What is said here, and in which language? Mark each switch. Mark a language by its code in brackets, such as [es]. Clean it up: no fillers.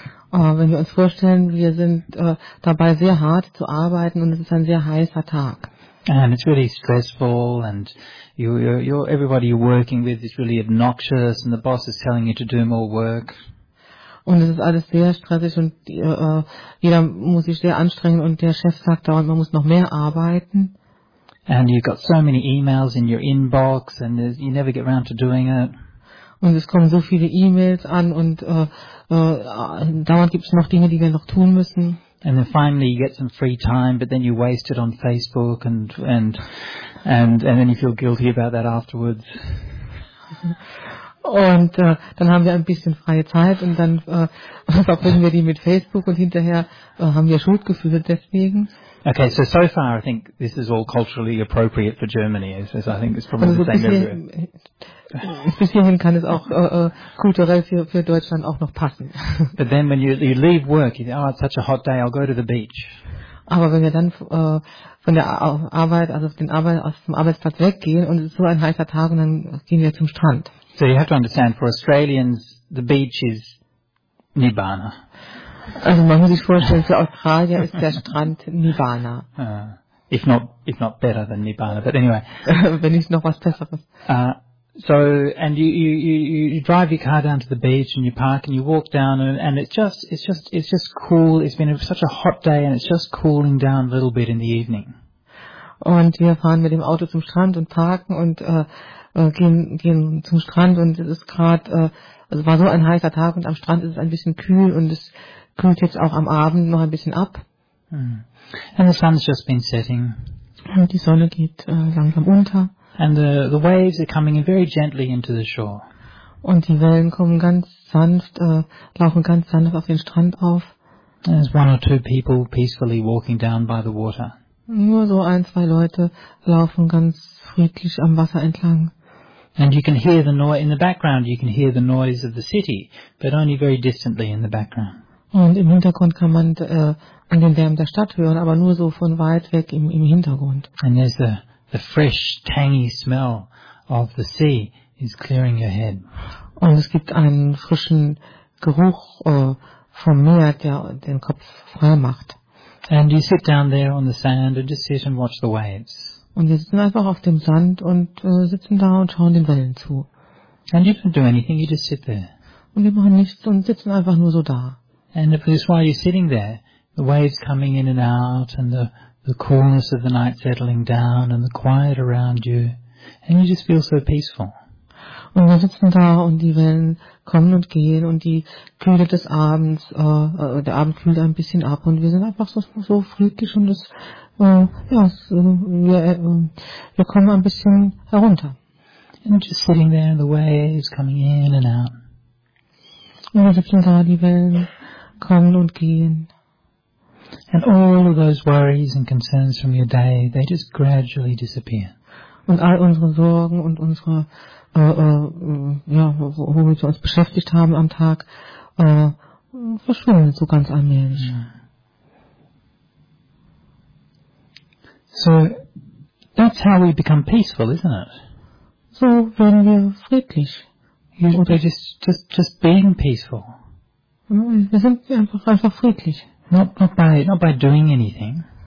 [de] Wenn wir uns vorstellen, wir sind dabei sehr hart zu arbeiten und es ist ein sehr heißer Tag. [en] And it's really stressful, and everybody you're working with is really obnoxious, and the boss is telling you to do more work. [de] Und es ist alles sehr stressig und jeder muss sich sehr anstrengen und der Chef sagt dauernd, man muss noch mehr arbeiten. [en] And you've got so many emails in your inbox and you never get around to doing it. [de] Und es kommen so viele E-Mails an und dauernd gibt es noch Dinge, die wir noch tun müssen. [en] And then finally you get some free time, but then you waste it on Facebook and then you feel guilty about that afterwards. [de] Und dann haben wir ein bisschen freie Zeit und dann verbringen wir die mit Facebook und hinterher haben wir Schuldgefühle deswegen. [en] Okay, so far I think this is all culturally appropriate for Germany, as I think it's probably also the same everywhere. [de] Bis hierhin kann es auch kulturell für Deutschland auch noch passen. [en] But then when you leave work, you think, oh, it's such a hot day, I'll go to the beach. [de] Aber wenn wir dann von der Arbeit, also aus dem Arbeitsplatz weggehen und es ist so ein heißer Tag und dann gehen wir zum Strand. [en] So you have to understand, for Australians, the beach is Nirvana. [de] Also man muss sich vorstellen, für Australien ist der Strand Nirvana. [en] If not better than Nirvana, but anyway. [de] Wenn nicht noch was Besseres. [en] So you drive your car down to the beach and you park and you walk down and it's just cool. It's been such a hot day and it's just cooling down a little bit in the evening. [de] Und wir fahren mit dem Auto zum Strand und parken und gehen zum Strand und es ist gerade also war so ein heißer Tag und am Strand ist es ein bisschen kühl und es kühlt jetzt auch am Abend noch ein bisschen ab. [en] Mm. And the sun's just been setting. [de] Und die Sonne geht langsam unter. [en] And the waves are coming in very gently into the shore. [de] Und die Wellen kommen ganz sanft, lauchen ganz sanft auf den Strand auf. [en] There's one or two people peacefully walking down by the water. [de] Nur so ein, zwei Leute laufen ganz friedlich am Wasser entlang. [en] And you can hear the noise in the background. You can hear the noise of the city, but only very distantly in the background. [de] Und im Hintergrund kann man den Lärm der Stadt hören, aber nur so von weit weg im Hintergrund. [en] And there's the fresh, tangy smell of the sea is clearing your head. [de] Und es gibt einen frischen Geruch vom Meer, der den Kopf frei macht. [en] And you sit down there on the sand and just sit and watch the waves. [de] Und wir sitzen einfach auf dem Sand und sitzen da und schauen den Wellen zu. [en] And you don't do anything, you just sit there. [de] Und wir machen nichts und sitzen einfach nur so da. [en] And just while you're sitting there, the waves coming in and out and the coolness of the night settling down and the quiet around you, and you just feel so peaceful. [de] Und wir sitzen da und die Wellen kommen und gehen und die Kühle des Abends, der Abend kühlt ein bisschen ab und wir sind einfach so friedlich und wir kommen ein bisschen herunter. [en] And just sitting there and the waves coming in and out. [de] Und wir sitzen da, die Wellen kommen und gehen. [en] And all of those worries and concerns from your day, they just gradually disappear. [de] Und all unsere Sorgen und unsere wo wir uns beschäftigt haben am Tag, verschwinden so ganz allmählich. [en] So, that's how we become peaceful, isn't it? [de] So werden wir friedlich. [en] Just being peaceful. [de] Wir sind einfach friedlich. [en] Not by doing anything.